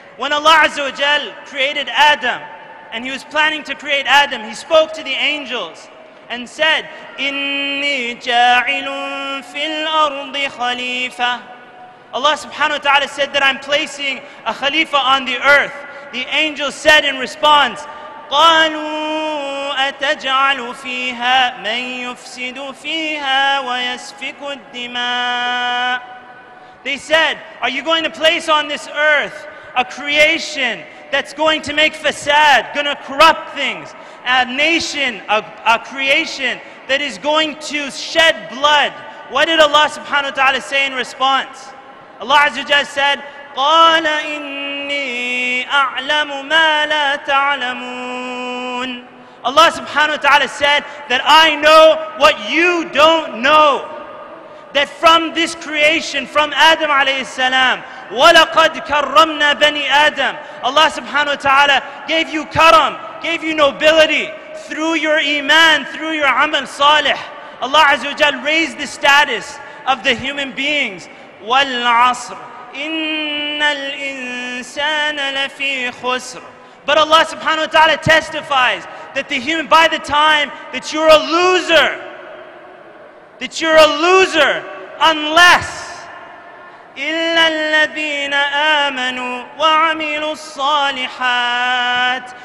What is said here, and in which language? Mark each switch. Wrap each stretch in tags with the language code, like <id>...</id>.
<en>When Allah azza wa jal created Adam, and he was planning to create Adam, he spoke to the angels and said,</en> <ar>إِنِّي جَاعِلٌ فِي الْأَرْضِ خَلِيفَةً.</ar> <en>Allah subhanahu wa ta'ala said that I'm placing a khalifa on the earth. The angels said in response,</en> <ar>قَالُوا أَتَجْعَلُ فِيهَا مَنْ يُفْسِدُ فِيهَا وَيَسْفِكُ الدِّمَاءُ.</ar> <en>They said, are you going to place on this earth a creation that's going to make fasad, going to corrupt things, a nation, a creation that is going to shed blood? What did Allah subhanahu wa ta'ala say in response? Allah azza wa jalla said,</en> <ar>قَالَ إِنِّي أَعْلَمُ مَا لَا تَعْلَمُونَ.</ar> <en>Allah subhanahu wa ta'ala said that I know what you don't know. That from this creation, from Adam alayhi salam,</en> <ar>وَلَقَدْ كَرَّمْنَا بَنِي آدَمَ.</ar> <en>Allah subhanahu wa ta'ala gave you karam, gave you nobility through your iman, through your amal salih. Allah azza wa jalla raised the status of the human beings.</en> <ar>والعصر إن الإنسان لفي خسر.</ar> <en>But Allah subhanahu wa ta'ala testifies that the human, by the time that you're a loser, that you're a loser, unless</en> <ar>إلا الذين آمنوا وعملوا الصالحات.</ar>